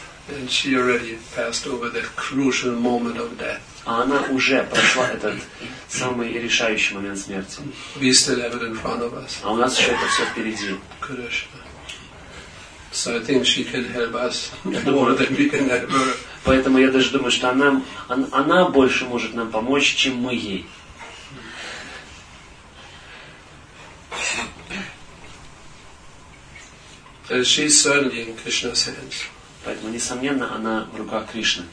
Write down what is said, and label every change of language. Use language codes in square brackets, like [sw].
[en] And she already passed over that crucial moment of death. [ru] А она уже прошла этот самый решающий момент смерти. [en] We still have it in front of us. [ru] А у нас еще это все впереди. [en] Krishna. So I think she can help us more than we can help her. [ru] Поэтому я даже думаю, что она больше может нам помочь, чем мы ей. [en] She is certainly in Krishna's hands. [ru] Поэтому, несомненно, она в руках Кришны.